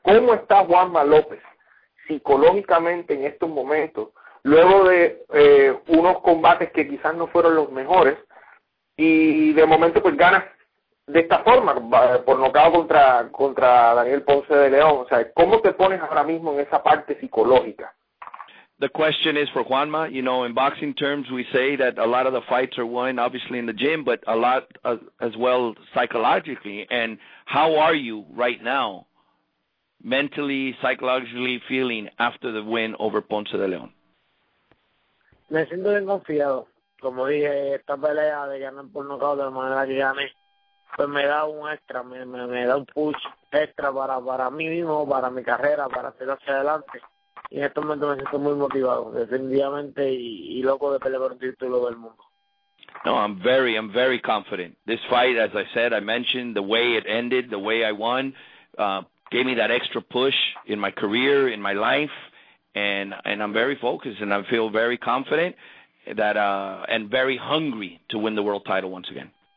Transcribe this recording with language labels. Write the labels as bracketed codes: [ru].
[es] ¿Cómo está Juanma López psicológicamente en estos momentos, luego de unos combates que quizás no fueron los mejores y de momento pues gana de esta forma, por nocao contra Daniel Ponce de León? O sea, ¿cómo te pones ahora mismo en esa parte psicológica? [en] the question is for Juanma. You know, in boxing terms, we say that a lot of the fights are won, obviously, in the gym, but a lot as well psychologically. And how are you right now, mentally, psychologically, feeling after the win over Ponce de León? [es] Me siento bien confiado. Como dije, esta pelea de ganar por nocaut de manera que gané, pues me da un extra, me da un push extra para mí mismo, para mi carrera, para hacer hacia adelante. Y en este momento me siento muy motivado, definitivamente, y loco de pelear por un título del mundo. [en] No, I'm very confident. This fight, as I said, I mentioned, the way it ended, the way I won, gave me that extra push in my career, in my life, and I'm very focused, and I feel very confident that and very hungry to win the world title once again.